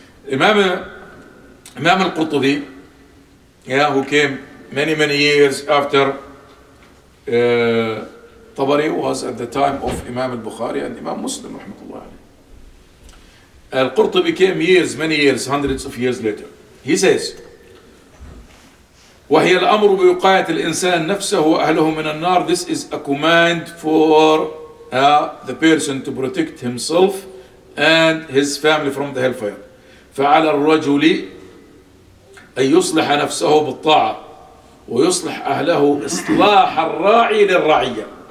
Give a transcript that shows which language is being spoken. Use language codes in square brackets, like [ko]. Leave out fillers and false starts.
[en] Imam al-Qurtubi, who came many years after Tabari, was at the time of Imam al-Bukhari and Imam Muslim, rahmatullah alayhi. Al-Qurtubi came years, many years, hundreds of years later. He says, [ar] وهي الأمر بوقاية الإنسان نفسه وأهله من النار. [en] This is a command for the person to protect himself and his family from the hellfire. [ar] فعلى الرجل أن يصلح نفسه بالطاعة ويصلح أهله إصلاح الراعي للرعية.